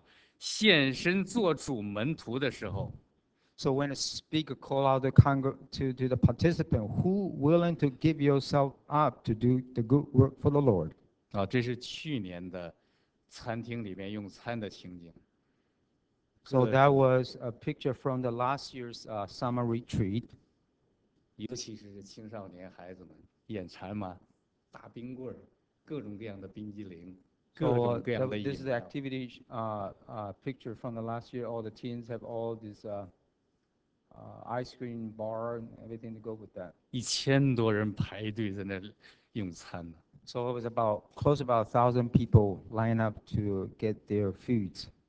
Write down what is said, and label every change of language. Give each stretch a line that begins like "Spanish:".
Chinese: 所以当他呼召说谁愿意在自己的工作岗位上献身做主门徒的时候，
English: So when a speaker call out to the participant, who willing to give yourself up to do the good work for the Lord?
Chinese: 啊，这是去年的餐厅里面用餐的情景。
English: So that was a picture from the last year's summer retreat.
Chinese: 尤其是青少年孩子们，眼馋嘛，大冰棍，各种各样的冰激凌。
English: So this is the activity picture from the last year. All the teens have all these ice cream bar and everything to go with that.
Chinese: 1,000多人排队在那用餐呢。
English: So it was close about 1,000 people line up to get their foods.